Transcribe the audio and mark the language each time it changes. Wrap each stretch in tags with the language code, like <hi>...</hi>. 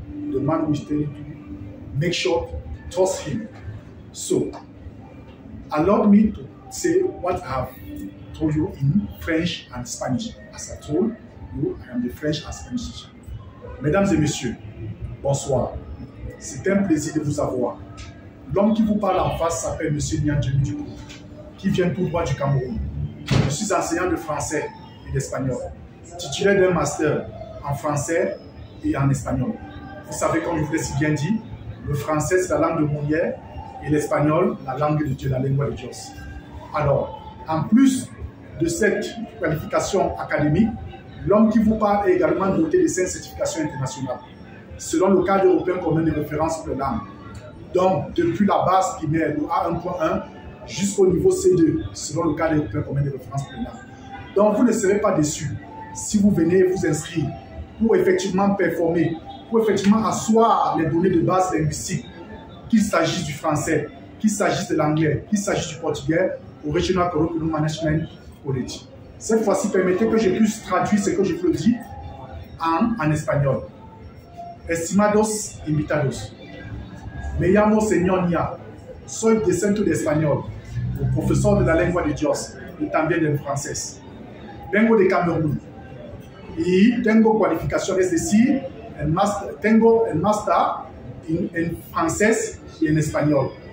<en>The man who is telling you, make sure, trust him. So, allow me to say what I have told you in French and Spanish. As I told you, I am the French and Spanish teacher.</en> <fr>Mesdames et messieurs, bonsoir. C'est un plaisir de vous avoir. L'homme qui vous parle en face s'appelle Monsieur Niangelo Dupont, qui vient tout droit du Cameroun. Je suis enseignant de français et d'espagnol, titulaire d'un master en français et en espagnol. Vous savez, comme je vous l'ai si bien dit, le français c'est la langue de Molière et l'espagnol la langue de Dieu,</fr> <es>la lengua de Dios.</es> <fr>Alors, en plus de cette qualification académique, l'homme qui vous parle est également doté de 5 certifications internationales, selon le cadre européen commun de référence pour les langues. Donc, depuis la base primaire, le A1.1, jusqu'au niveau C2, selon le cadre européen commun de référence pour les langues. Donc, vous ne serez pas déçus si vous venez vous inscrire pour effectivement performer, pour effectivement asseoir les données de base linguistique, qu'il s'agisse du français, qu'il s'agisse de l'anglais, qu'il s'agisse du portugais, au Regional Curriculum Management College. Cette fois-ci, permettez que je puisse traduire ce que je vous dis en espagnol.</fr> <es>Estimados invitados, me llamo señor Nia, soy descendiente de español, un profesor de la lengua de Dios y también de francés. Vengo de Camerún y tengo cualificación, es decir, tengo un master en francés y en español.</es>